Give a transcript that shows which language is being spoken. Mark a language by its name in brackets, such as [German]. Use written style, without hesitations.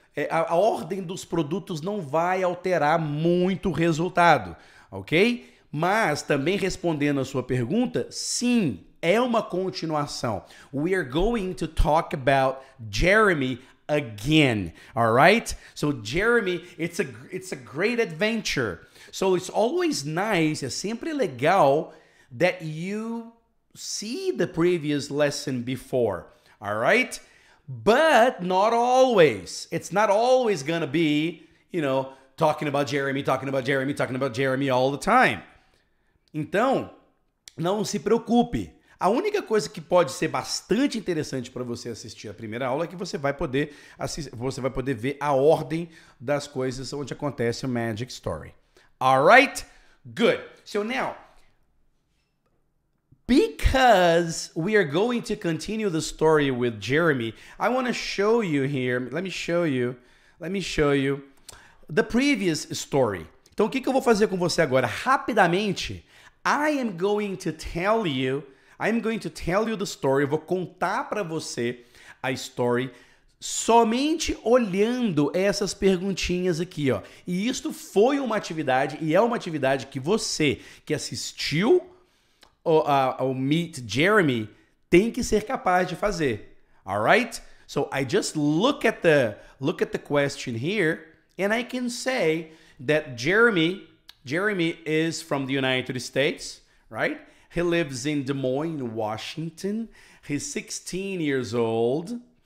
[Portuguese] A ordem dos produtos não vai alterar muito o resultado, ok? Mas, também respondendo a sua pergunta, sim, é uma continuação. [English] We are going to talk about Jeremy again, alright? So, Jeremy, it's a great adventure. So it's always nice, [Portuguese] é sempre legal, [English] that you see the previous lesson before, alright? But not always. It's not always gonna be, you know, talking about Jeremy all the time. [Portuguese] Então, não se preocupe. A única coisa que pode ser bastante interessante para você assistir a primeira aula é que você vai poder ver a ordem das coisas onde acontece o Magic Story. [English] Alright, good. So now, because we are going to continue the story with Jeremy, I want to show you here. Let me show you the previous story. [Portuguese] Então, o que eu vou fazer com você agora? Rapidamente, [English] I am going to tell you the story. [Portuguese] Eu vou contar para você a story somente olhando essas perguntinhas aqui, ó. E isto foi uma atividade, e é uma atividade que você que assistiu ao Meet Jeremy tem que ser capaz de fazer. Alright? [English] So I just look at the question here, and I can say that Jeremy is from the United States, right? He lives in Des Moines, Washington. He's 16 years old.